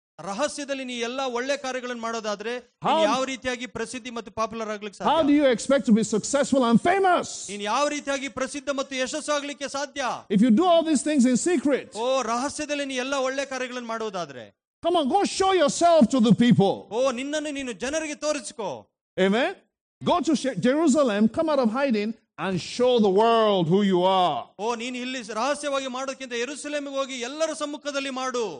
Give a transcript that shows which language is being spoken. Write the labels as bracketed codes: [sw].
[kn] ರಹಸ್ಯದಲ್ಲಿ ನೀ ಎಲ್ಲ ಒಳ್ಳೆ ಕಾರ್ಯಗಳನ್ನು ಮಾಡೋದಾದ್ರೆ ಯಾವ ರೀತಿಯಾಗಿ ಪ್ರಸಿದ್ಧಿ ಮತ್ತು ಪಾಪ್ಯುಲರ್ ಆಗ್ಲಿಕ್ಕೆ ಸಾಧ್ಯ? [en] How do you expect to be successful and famous? [kn] ನೀನು ಯಾವ ರೀತಿಯಾಗಿ ಪ್ರಸಿದ್ಧ ಮತ್ತು ಯಶಸ್ಸು ಆಗ್ಲಿಕ್ಕೆ ಸಾಧ್ಯ? [en] If you do all these things in secret. [kn] ಓ ರಹಸ್ಯದಲ್ಲಿ ನೀ ಎಲ್ಲ ಒಳ್ಳೆ ಕಾರ್ಯಗಳನ್ನು ಮಾಡೋದಾದ್ರೆ [en] Come on, go show yourself to the people. [kn] ಓ ನಿನ್ನನ್ನು ನೀನು ಜನರಿಗೆ ತೋರಿಸ್ಕೋ. [en] Amen. Go to Jerusalem, come out of hiding and show the world who you are. [kn] ಓ ನೀನು ಇಲ್ಲಿ ರಹಸ್ಯವಾಗಿ ಮಾಡೋದಕ್ಕಿಂತ ಯೆರೂಸಲೇಮಿಗೆ ಹೋಗಿ ಎಲ್ಲರ ಸಮ್ಮುಖದಲ್ಲಿ ಮಾಡು.